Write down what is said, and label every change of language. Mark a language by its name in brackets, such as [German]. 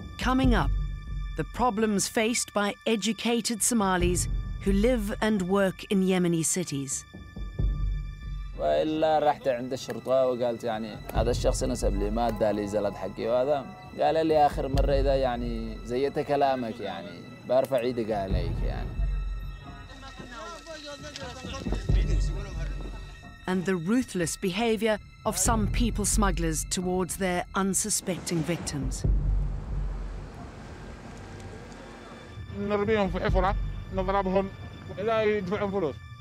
[English] Coming up, the problems faced by educated Somalis who live and work in Yemeni cities. [Arabic] إلا رحت عند الشرطة وقالت يعني هذا الشخص نسب لي مادة لي زلط حقي، وهذا قال لي آخر مرة إذا يعني زيت كلامك يعني بارفع عيدي قاليك يعني. [English] And the ruthless behavior of some people smugglers towards their unsuspecting victims. [Arabic] نربيهم في حفرة نضربهم إلى يدفعهم فلوس.